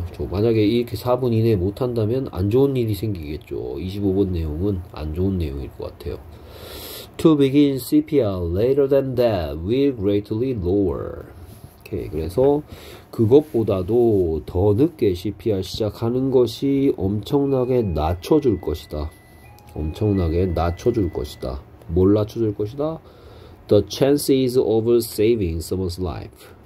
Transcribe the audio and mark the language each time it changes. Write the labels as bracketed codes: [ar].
[ko] 만약에 이렇게 4분 이내에 못한다면 안 좋은 일이 생기겠죠. 25번 내용은 안 좋은 내용일 것 같아요. [en] To begin CPR later than that will greatly lower. [ko] 오케이, 그래서 그것보다도 더 늦게 CPR 시작하는 것이 엄청나게 낮춰줄 것이다. 엄청나게 낮춰줄 것이다. 뭘 낮춰줄 것이다? [en] The chances of saving someone's life.